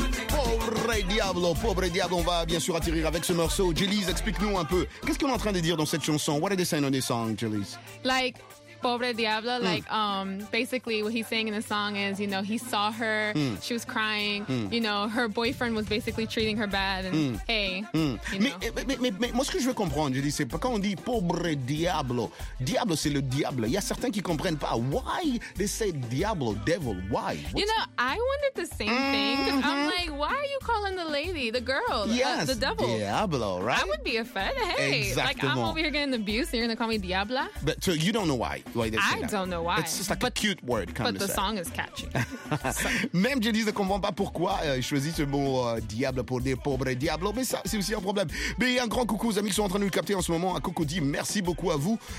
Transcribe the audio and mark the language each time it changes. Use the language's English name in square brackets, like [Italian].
[French] Pobre Diablo, on va bien sûr atterrir avec ce morceau. Jelis, explique-nous un peu. Qu'est-ce qu'on est en train de dire dans cette chanson? [English] What are they saying on this song, Jelis? Like, Pobre Diablo, like, basically what he's saying in the song is, you know, he saw her, she was crying, you know, her boyfriend was basically treating her bad, and hey, [French] Mais moi, ce que je veux comprendre, Jelis, c'est quand on dit Pobre Diablo, Diablo, c'est le diable. Il y a certains qui ne comprennent pas. [English] Why they say Diablo, devil, why? What's you know, I wondered the same thing. I'm like, why are you calling the lady, the girl, the devil? Diablo, right? I would be offended. Hey, [French] exactement. [English] Like, I'm over here getting abused, and you're going to call me Diabla? But so you don't know why they say I that. Don't know why. It's just like a cute word, kind of. But the song is catchy. [French] Même Jelis ne comprend pas pourquoi il choisit ce mot Diablo pour dire Pobre Diablo, mais ça, c'est aussi un problème. Mais un grand coucou aux amis qui sont en train de nous capter en ce moment. À Cocody, merci beaucoup à vous.